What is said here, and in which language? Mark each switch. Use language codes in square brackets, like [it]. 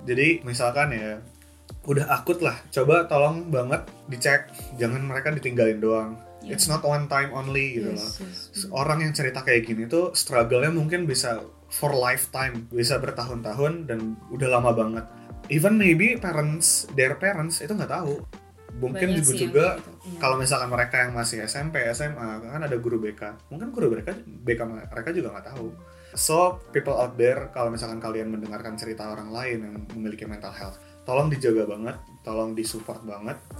[id] Jadi misalkan ya udah akut lah, coba tolong banget dicek, jangan mereka ditinggalin doang. Yeah. [en] It's not one time only gitu loh. Yes. [id] Orang yang cerita kayak gini tuh struggle-nya mungkin bisa [en] for lifetime, [id] bisa bertahun-tahun dan udah lama banget. [en] Even maybe their parents [id] itu nggak tahu. Mungkin banyak juga kalau misalkan mereka yang masih SMP, SMA, kan ada guru BK. Mungkin guru BK mereka juga nggak tahu. [en] So, people out there, [id] kalau misalkan kalian mendengarkan cerita orang lain yang memiliki mental health, tolong dijaga banget, tolong disupport banget.